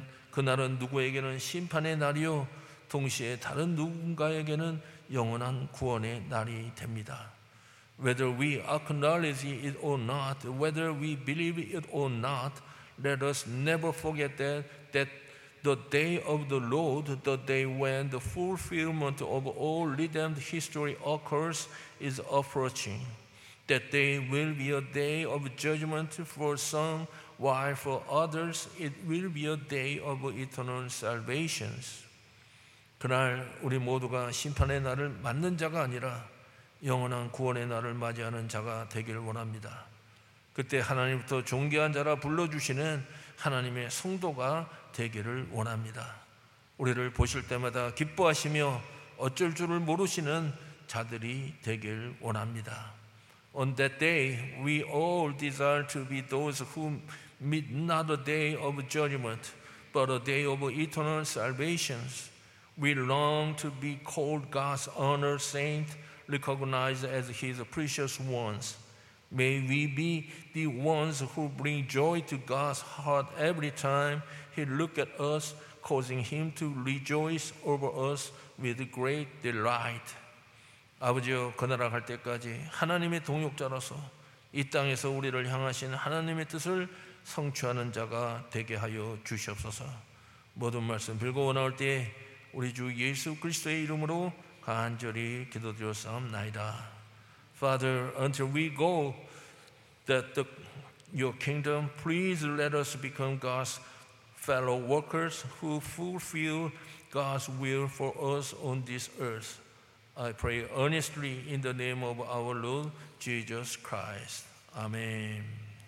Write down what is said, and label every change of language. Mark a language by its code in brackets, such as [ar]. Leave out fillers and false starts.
[ko] 그날은 누구에게는 심판의 날이요 동시에 다른 누군가에게는 영원한 구원의 날이 됩니다. [en] Whether we acknowledge it or not, whether we believe it or not, let us never forget that the day of the Lord, the day when the fulfillment of all redeemed history occurs, is approaching. That day will be a day of judgment for some, while for others it will be a day of eternal salvation. [ko] 그날 우리 모두가 심판의 날을 맞는 자가 아니라 영원한 구원의 날을 맞이하는 자가 되기를 원합니다. 그때 하나님부터 존귀한 자라 불러주시는 하나님의 성도가 되기를 원합니다. 우리를 보실 때마다 기뻐하시며 어쩔 줄을 모르시는 자들이 되길 원합니다. [en] On that day, we all desire to be those who meet not the day of judgment, but a day of eternal salvation. We long to be called God's honored saint, recognized as his precious ones. May we be the ones who bring joy to God's heart every time he looks at us, causing him to rejoice over us with great delight. [ko] 아버지여, 그 나라 갈 때까지 하나님의 동역자로서 이 땅에서 우리를 향하신 하나님의 뜻을 성취하는 자가 되게 하여 주시옵소서. 모든 말씀 빌고 나올 때 우리 주 예수 그리스도의 이름으로 간절히 기도드렸사옵나이다. [en] Father, until we go, that your kingdom, please let us become God's fellow workers who fulfill God's will for us on this earth. I pray earnestly in the name of our Lord Jesus Christ. Amen.